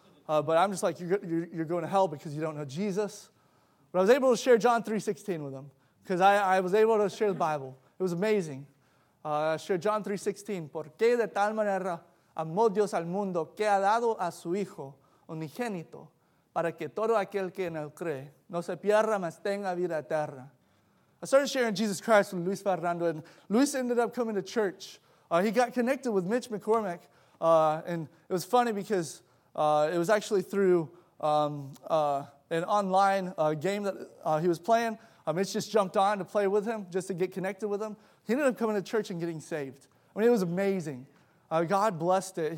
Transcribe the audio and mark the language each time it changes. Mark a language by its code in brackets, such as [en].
[en] But I'm just like, you're going to hell because you don't know Jesus. But I was able to share John 3:16 with him because I was able to share the Bible. It was amazing. I shared John 3:16. [es] ¿Por qué de tal manera amó Dios al mundo que ha dado a su Hijo unigénito para que todo aquel que en él cree no se pierda, mas tenga vida eterna? [en] I started sharing Jesus Christ with Luis Fernando, and Luis ended up coming to church. He got connected with Mitch McCormick, and it was funny because it was actually through an online game that he was playing. Mitch just jumped on to play with him, just to get connected with him. He ended up coming to church and getting saved. I mean, it was amazing. God blessed it.